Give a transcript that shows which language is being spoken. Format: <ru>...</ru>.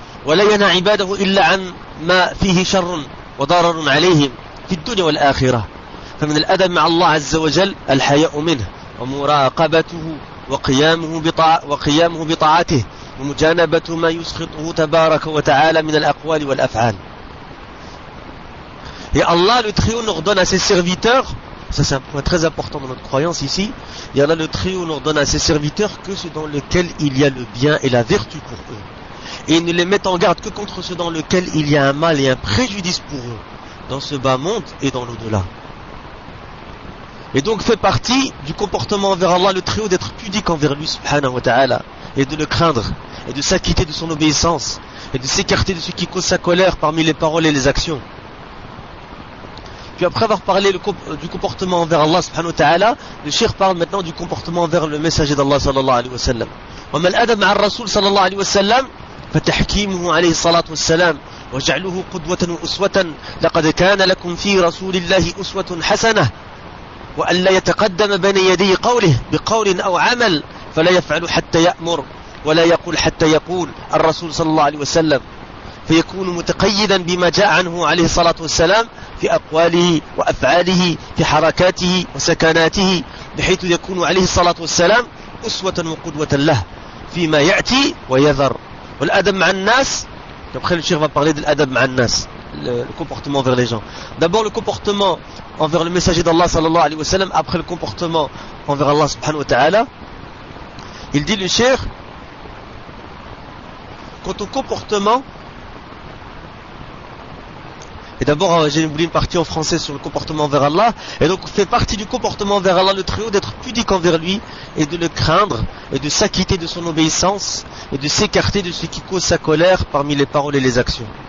<ar>وَلَا يَنَا عِبَادَهُ إِلَّا عَنْ مَا فِيهِ شَرٌ وَضَرَرٌ عَلَيْهِمْ فِي الدُّنْيَا وَالْآخِرَةِ فمن الأدب مع الله عز وجل الحياء منه ومراقبته وقيامه بطاعته ومجانبة ما يسخطه تبارك وتعالى من الأقوال والأفعال.</ar> <fr>Et Allah, le très haut, nous redonne à ses serviteurs, ça c'est un point très important dans notre croyance ici, et Allah, le très haut, nous redonne à ses serviteurs que ce dans lequel il y a le bien et la vertu pour eux. Et ils ne les mettent en garde que contre ce dans lequel il y a un mal et un préjudice pour eux, dans ce bas monde et dans l'au-delà. Et donc fait partie du comportement envers Allah le Très-Haut d'être pudique envers lui, subhanahu wa ta'ala, et de le craindre, et de s'acquitter de son obéissance, et de s'écarter de ce qui cause sa colère parmi les paroles et les actions. Puis après avoir parlé du comportement envers Allah, subhanahu wa ta'ala, le shir parle maintenant du comportement envers le messager d'Allah, sallallahu alayhi wa sallam.</fr> <ar>« وَمَا الْأَدَمَ عَلَى الرَّسُولِ sallallahu alayhi wa sallam » فتحكيمه عليه الصلاة والسلام وجعله قدوة وأسوة لقد كان لكم في رسول الله أسوة حسنة وأن لا يتقدم بين يدي قوله بقول أو عمل فلا يفعل حتى يأمر ولا يقول حتى يقول الرسول صلى الله عليه وسلم فيكون متقيدا بما جاء عنه عليه الصلاة والسلام في أقواله وأفعاله في حركاته وسكناته بحيث يكون عليه الصلاة والسلام أسوة وقدوة له فيما يأتي ويذر.</ar> <fr>L'adab ma'annas, après le shir va parler de l'adab ma'annas, le comportement envers les gens. D'abord le comportement envers le messager d'Allah sallallahu alayhi wa sallam, après le comportement envers Allah subhanahu wa ta'ala. Il dit le shir, quant au comportement, et d'abord j'ai oublié une partie en français sur le comportement envers Allah, et donc fait partie du comportement envers Allah le Très-Haut d'être pudique envers lui, et de le craindre, et de s'acquitter de son obéissance, et de s'écarter de ce qui cause sa colère parmi les paroles et les actions.</fr>